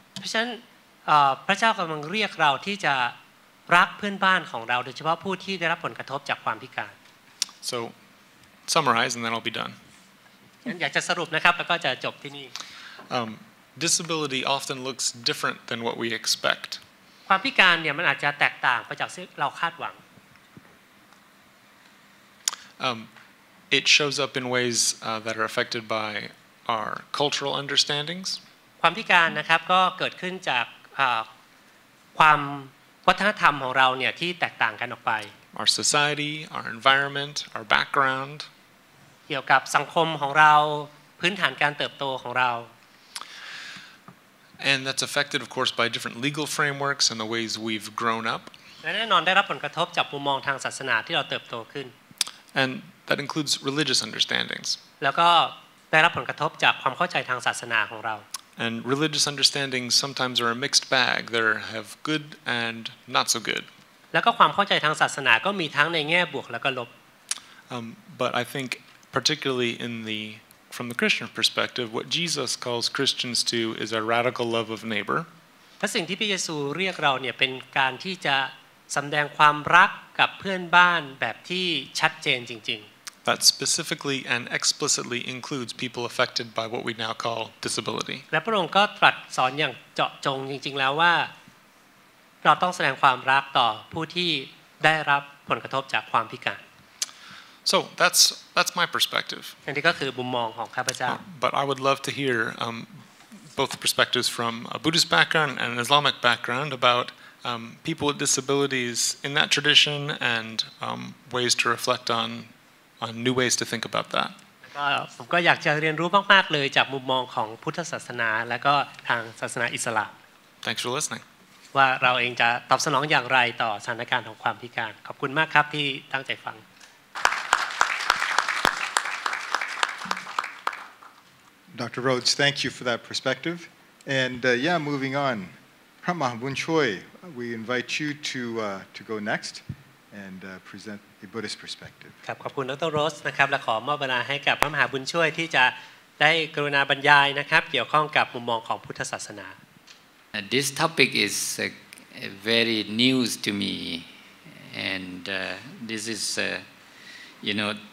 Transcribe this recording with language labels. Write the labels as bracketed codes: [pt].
[th] เพราะฉะนั้นพระเจ้ากำลังเรียกเราที่จะรักเพื่อนบ้านของเราโดยเฉพาะผู้ที่ได้รับผลกระทบจากความพิการ [en] So, summarize, and then I'll be done. [th] อยากจะสรุปนะครับแล้วก็จะจบที่นี่ [en] Disability often looks different than what we expect. [th] ความพิการเนี่ยมันอาจจะแตกต่างไปจากที่เราคาดหวัง [en] It shows up in ways that are affected by our cultural understandings. [th] ความพิการนะครับก็เกิดขึ้นจากความวัฒนธรรมของเราเนี่ยที่แตกต่างกันออกไป [en] Our society, our environment, our background. [th] เกี่ยวกับสังคมของเราพื้นฐานการเติบโตของเรา [en] And that's affected, of course, by different legal frameworks and the ways we've grown up. [th] และแน่นอนได้รับผลกระทบจากมุมมองทางศาสนาที่เราเติบโตขึ้น [en] And that includes religious understandings. [th] แล้วก็ได้รับผลกระทบจากความเข้าใจทางศาสนาของเรา [en] And religious understandings sometimes are a mixed bag. There have good and not so good. [th] แล้วก็ความเข้าใจทางศาสนาก็มีทั้งในแง่บวกแล้วก็ลบ [en] but I think particularly in the from the Christian perspective what Jesus calls Christians to is a radical love of neighbor [th] สิ่งที่พระเยซูเรียกเราเนี่ยเป็นการที่จะสําแดงความรักกับเพื่อนบ้านแบบที่ชัดเจนจริง [en] ๆ that specifically and explicitly includes people affected by what we now call disability [th] และพระองค์ก็ตรัสสอนอย่างเจาะจงจริงๆแล้วว่าเราต้องแสดงความรักต่อผู้ที่ได้รับผลกระทบจากความพิการ [en] So that's my perspective. [th] อันนี้ก็คือมุมมองของข้าพเจ้า [en] But I would love to hear both perspectives from a Buddhist background and an Islamic background about people with disabilities in that tradition and ways to reflect on new ways to think about that. [th] ผมก็อยากจะเรียนรู้มากๆเลยจากมุมมองของพุทธศาสนาและก็ทางศาสนาอิสลาม [en] Thanks for listening. [th] ว่าเราเองจะตอบสนองอย่างไรต่อสถานการณ์ของความพิการขอบคุณมากครับที่ตั้งใจฟัง [en] ดร. Rhodes thank you for that perspective and yeah moving on พระมหาบุญช่วย we invite you to go next and present a Buddhist perspective [th] ครับขอบคุณดร. Rhodes นะครับและขอมอบเวลาให้กับพระมหาบุญช่วยที่จะได้กรุณาบรรยายนะครับเกี่ยวข้องกับมุมมองของพุทธศาสนา [en] This topic is very news to me, and this is, you know,